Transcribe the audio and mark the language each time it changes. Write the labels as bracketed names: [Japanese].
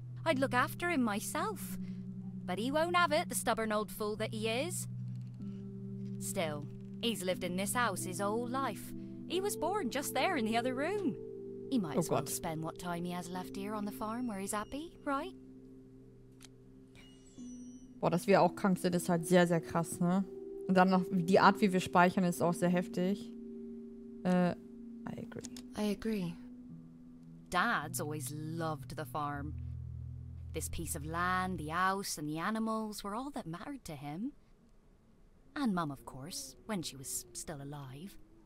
[English] I'd look after him myself. But he won't have it, the stubborn old fool that he is. Still, he's lived in this house his whole life. He was born just there in the other room. He might as well spend what time he has left here on the farm where he's happy, right? [German] Boah, dass wir auch krank sind, ist halt sehr, sehr krass, ne? Und dann noch die Art, wie wir speichern, ist auch sehr heftig. [English] I agree. Dad's always loved the farm. This piece of land, the house, and the animals were all that mattered to him. And Mum, of course, when she was still alive.